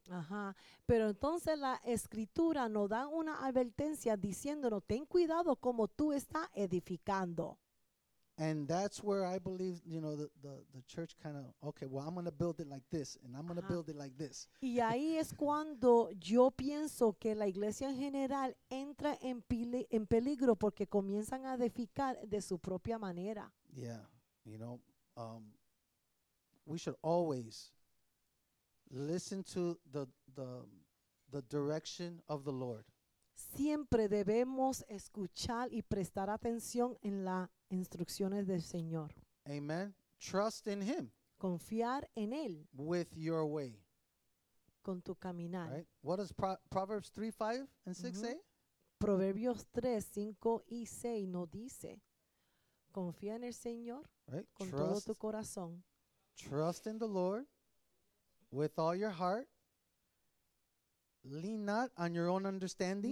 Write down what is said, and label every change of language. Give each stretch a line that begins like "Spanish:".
Spanish: Ajá, pero entonces la escritura nos da una advertencia diciéndonos, ten cuidado como tú estás edificando.
English: And that's where I believe, you know, the church kind of, okay, well, I'm going to build it like this, and I'm going to build it like this.
Spanish: Y ahí es cuando yo pienso que la iglesia en general entra en peligro porque comienzan a edificar de su propia manera.
English: Yeah, you know, we should always listen to the direction of the Lord.
Spanish: Siempre debemos escuchar y prestar atención en la instrucciones del Señor.
English: Amen. Trust in Him.
Spanish: Confiar en Él.
English: With your way.
Spanish: Con tu caminar.
English: Right? What does Proverbs 3, 5 and 6 say?
Spanish: Proverbios 3, 5 y 6 nos dice, confía en el Señor con
English: trust,
Spanish: todo tu corazón.
English: Trust in the Lord with all your heart. Lean not on your own understanding.